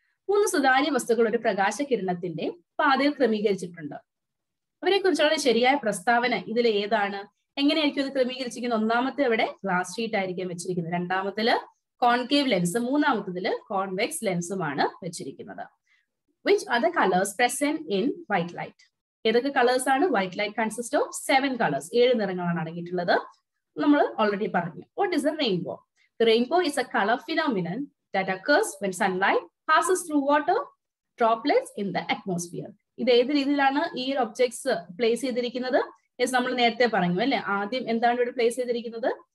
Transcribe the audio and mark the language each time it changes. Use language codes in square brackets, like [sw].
[ml] മൂന്ന് സുതാര്യ വസ്തുക്കൾ ഒരു പ്രകാശ കിരണത്തിന്റെ പാതയിൽ ക്രമീകരിച്ചിട്ടുണ്ട്. അവരെ കുറിച്ചുള്ള ശരിയായ പ്രസ്താവന ഇതിൽ ഏതാണ്? എങ്ങനെയായിരിക്കും അത് ക്രമീകരിച്ചിരിക്കുന്നത്? ഒന്നാമത്തെ അവിടെ ഗ്ലാസ് ഷീറ്റ് ആയിരിക്കും വെച്ചിരിക്കുന്നത്. രണ്ടാമത്തില് കോൺകേവ് ലെൻസ് മൂന്നാമത്തതില് കോൺവെക്സ് ലെൻസുമാണ് വെച്ചിരിക്കുന്നത്. [en] Which are the colors present in white light? [ml] ഏതൊക്കെ കളേഴ്സ് ആണ്? [en] white light consist of seven colours, [ml] ഏഴ് നിറങ്ങളാണ് അടങ്ങിയിട്ടുള്ളത്. നമ്മൾ ഓൾറെഡി പറഞ്ഞു, [en] What is a rainbow? Rainbow is a colour phenomenon that occurs when sunlight passes through water droplets in the atmosphere. [ml] ഇത് ഏത് രീതിയിലാണ് ഈ ഒരു ഒബ്ജെക്ട്സ് പ്ലേസ് ചെയ്തിരിക്കുന്നത്? യെസ്, നമ്മൾ നേരത്തെ പറഞ്ഞു അല്ലേ, ആദ്യം എന്താണ് ഇവിടെ പ്ലേസ് ചെയ്തിരിക്കുന്നത്?